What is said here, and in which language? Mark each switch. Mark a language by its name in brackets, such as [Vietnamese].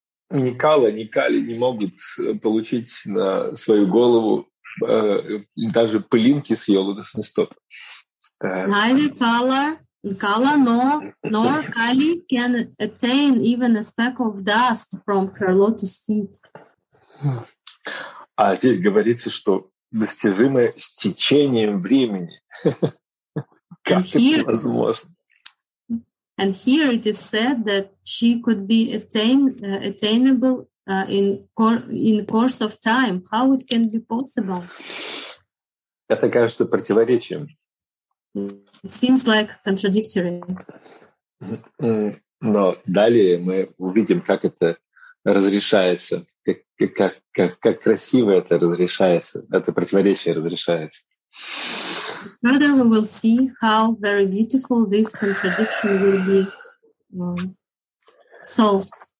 [Russian] Ни Кала, ни Кали не могут получить на свою голову даже пылинки с ее лотосных стоп. [English] Neither Kala Kala nor Kali can attain even a speck of dust from her lotus feet. [Russian] А здесь говорится, что достижимое с течением времени. Как это возможно? [English] And here it is said that she could be attainable in course of time. How it can be possible? [Russian] Это кажется противоречием. [English] It seems like contradictory. [Russian] Но далее мы увидим, как это разрешается, как красиво это разрешается, это противоречие разрешается. [English] Further, we will see how very beautiful this contradiction will be solved.